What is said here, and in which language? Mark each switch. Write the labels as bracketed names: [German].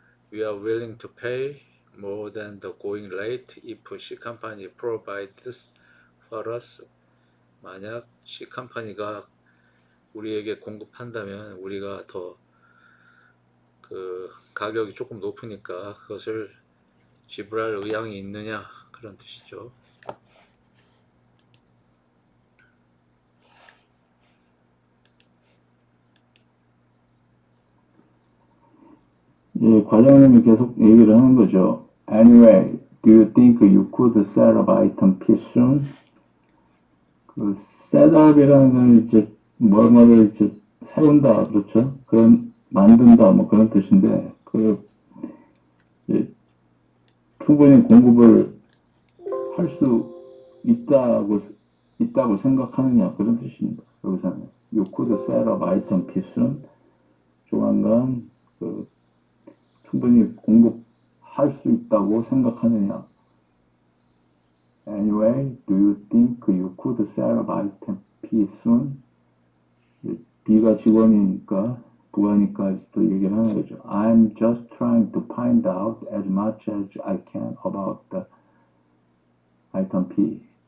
[English] We are willing to pay more than the going rate if C company provides for us. [Korean] 만약 C company가 우리에게 공급한다면 우리가 더그 가격이 조금 높으니까 그것을 지불할 의향이 있느냐 그런 뜻이죠. Yeah, 과장님이 계속 얘기를 하는 거죠. [English] Anyway, do you think you could set up item P soon? [Korean] 그 setup이라는 건 이제 뭐뭐를 이제 세운다, 그렇죠? 그런 만든다, 뭐 그런 뜻인데, 그 이제 충분히 공급을 할수 있다고 생각하느냐, 그런 뜻입니다. 여기서는 [English] you could set up item P soon. [Korean] 조만간 그 충분히 공급할 수 있다고 생각하느냐? [English] Anyway, do you think you could sell item P soon? [Korean] B가 직원이니까, 부하니까 또 얘기를 하는 거죠. [English] I'm just trying to find out as much as I can about the item P.